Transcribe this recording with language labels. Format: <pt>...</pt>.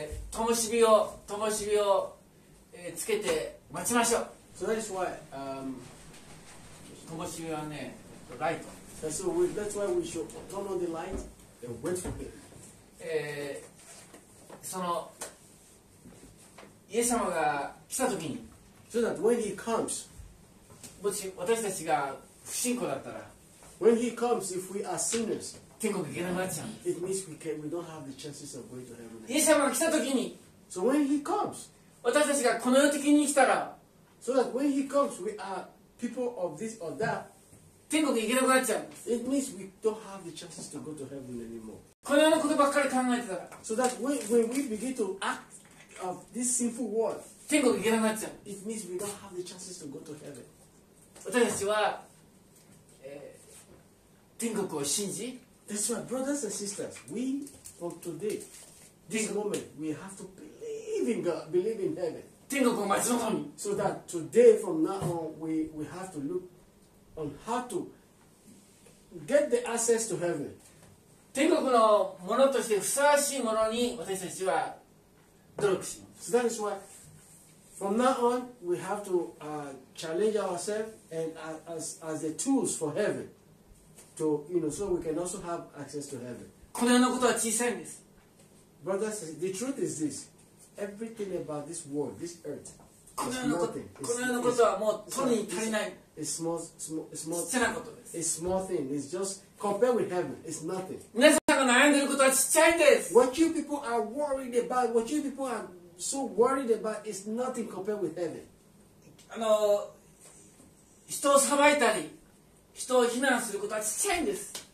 <ja>灯火を、つけて待ちましょう。</ja> <en>So that is why,</en> <ja>灯火はね、ライト。</ja> <en>That's why we should turn on the light and wait for him.</en> <ja>その、イエス様が来たときに、</ja> <en>So that when he comes,</en> <ja>もし私たちが不信仰だったら、</ja> <en>When he comes, if we are sinners,</en> <ja>天国行けなくなっちゃう。</ja> <en>It means we can, we don't have the chances of going to heaven.</en> <ja>イエス様が来たときに、</ja> <en>So when he comes,</en> <ja>私たちがこの世的に来たら、</ja> <en>So that when he comes, we are people of this or that.</en> <ja>天国行けなくなっちゃう。</ja> <en>It means we don't have the chances to go to heaven anymore.</en> <ja>この世のことばっかり考えてたら、</ja> <en>So that when we begin to act of this sinful world,</en> <ja>天国行けなくなっちゃう。</ja> <en>It means we don't have the chances to go to heaven.</en> <ja>私たちは、天国を信じ、</ja> <en>That's why, brothers and sisters, we, from today, this moment, we have to believe in God, believe in heaven.</en> <ja>天国を待ち望み。</ja> <en>So that today, from now on, we have to look on how to get the access to heaven.</en> <ja>天国のものとしてふさわしいものに私たちは努力します。</ja> <en>So that is why, from now on, we have to challenge ourselves and as the tools for heaven. So, you know, so we can also have access to heaven.</en> <ja>この世のことは小さいんです。</ja> <en>Brothers, the truth is this. Everything about this world, this earth, is nothing.</en> <ja>この世のことはもう取りに足りない。</ja> <en>It's small.</en> <ja>ちっちゃなことです。</ja> <en>It's small thing. It's just compared with heaven. It's nothing.</en> <ja>皆さんが悩んでることはちっちゃいんです。</ja> <en>What you people are worried about, what you people are so worried about, is nothing compared with heaven.</en> <ja>人を裁いたり、人を非難することはちっちゃいんです。</ja>